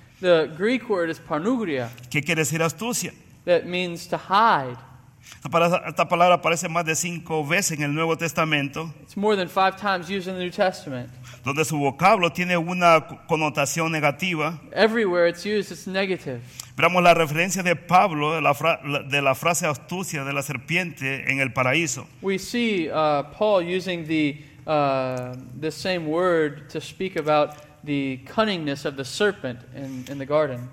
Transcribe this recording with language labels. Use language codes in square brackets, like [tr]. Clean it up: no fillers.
[en] The Greek word is panugria. [es] ¿Qué quiere decir astucia? [en] That means to hide. [es] Esta palabra aparece más de 5 veces en el Nuevo Testamento. [en] It's more than 5 times used in the New Testament. [es] Donde su vocablo tiene una connotación negativa. [en] Everywhere it's used, it's negative. [es] Veamos la referencia de Pablo de la frase astucia de la serpiente en el paraíso. [en] We see Paul using the same word to speak about the cunningness of the serpent in the garden.